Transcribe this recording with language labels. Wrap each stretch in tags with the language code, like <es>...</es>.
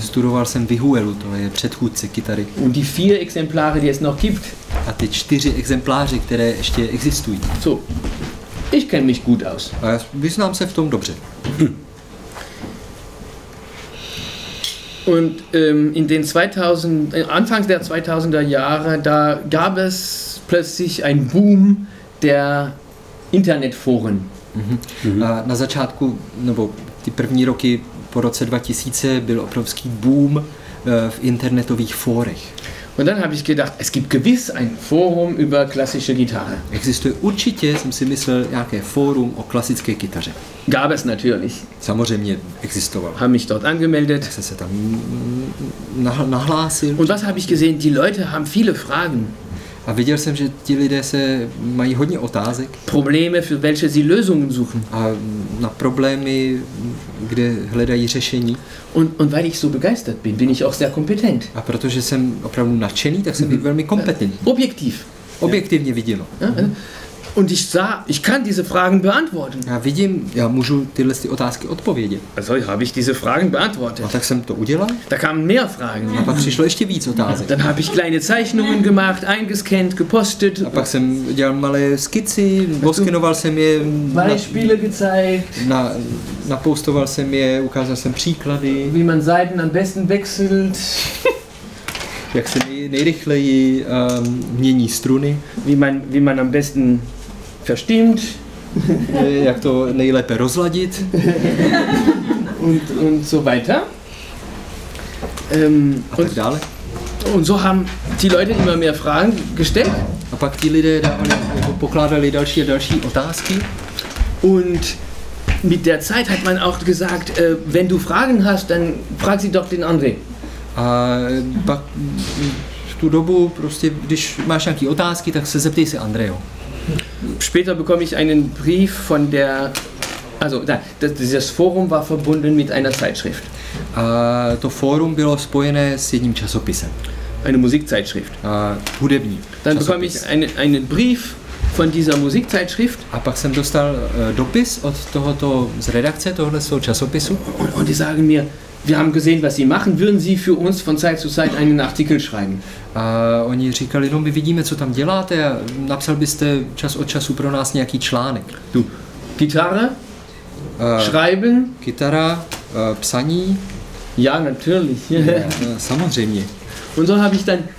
<cs>Studoval jsem Vihuelu, to je předchůdce kytary.</cs> <de>Und die 4 Exemplare, die es noch gibt.</de> <cs>A ty 4 exempláře, které ještě existují.</cs> <de>So, ich kenne mich gut aus.</de> <cs>A já vyznám se v tom dobře.</cs> <de>Und in den 2000, Anfang der 2000er Jahre, da gab es plötzlich einen Boom der Internetforen. Mhm.</de> <cs>Na začátku, nebo ty první roky po roce 2000 byl obrovský boom v internetových fórech.</cs> <de>Und dann habe ich gedacht, es gibt gewiss ein Forum über klassische Gitarre.</de> <cs>Existuje určitě, jsem si myslel, nějaké fórum o klasické kytaře.</cs> <de>Gab es natürlich.</de> <cs>Samozřejmě existovalo.</cs> <de>Haben mich dort angemeldet.</de> <cs>Já jsem se tam nahlásil.</cs> <de>Und was habe ich gesehen? Die Leute haben viele Fragen.</de> <cs>A viděl jsem, že ti lidé se mají hodně otázek.</cs> <de>Probleme, für welche sie Lösungen suchen.</de> <cs>A na problémy, kde hledají řešení.</cs> <de>Und weil ich so begeistert bin, bin ich auch sehr kompetent.</de> <cs>A protože jsem opravdu nadšený, tak jsem velmi kompetentní.</cs> <de>Objektiv.</de> <cs>Objektivně viděno.</cs> <de>Und ich sah, ich kann diese Fragen beantworten.</de> <cs>Já vidím, já můžu tyhle otázky odpovědět.</cs> <de>Also habe ich diese Fragen beantwortet.</de> <cs>A tak jsem to udělal.</cs> <de>Da kamen mehr Fragen.</de> <cs>A pak přišlo ještě víc otázek.</cs> <de>Dann habe ich kleine Zeichnungen gemacht, eingescannt, gepostet.</de> <cs>A pak jsem dělal malé skici, poskenoval jsem je.</cs> <de>Beispiele gezeigt.</de> <cs>Napostoval jsem je, ukázal jsem příklady.</cs> <de>Wie man Seiten am besten wechselt.</de> <cs>Jak se nejrychleji mění struny.</cs> <de>Wie man am besten verstimmt.</de> <cs>Jak to nejlépe rozladit.</cs> <de>und so weiter.</de> <cs>A tak dále.</cs> <de>Und so haben die Leute immer mehr Fragen gestellt.</de> <cs>A pak ti lidé pokládali další a další otázky.</cs> <de>Und mit der Zeit hat man auch gesagt, wenn du Fragen hast, dann frag sie doch den André.</de> <cs>A pak v tu dobu prostě, když máš nějaké otázky, tak se zeptej se Andrejo.</cs> <de>Später bekomme ich einen Brief von der, also dieses Forum war verbunden mit einer Zeitschrift.</de> <cs>A to fórum bylo spojené s jedním časopisem.</cs> <de>Eine Musikzeitschrift.</de> <cs>A hudební.</cs> <de>Dann bekomme ich einen Brief von dieser Musikzeitschrift.</de> <cs>A pak jsem dostal dopis od tohoto z redakce tohoto časopisu.</cs> <de>Und die sagen mir, wir haben gesehen, was Sie machen. Würden Sie für uns von Zeit zu Zeit einen Artikel schreiben?</de> <cs>Oni říkali, no, my vidíme, co tam děláte. A napsal byste čas od času pro nás nějaký článek.</cs> <de>Du, Gitarre, schreiben.</de> <cs>Gitara, psaní.</cs> <de>Ja, natürlich.</de> <cs>Ja, samozřejmě.</cs> <de>Und so habe ich dann...</de>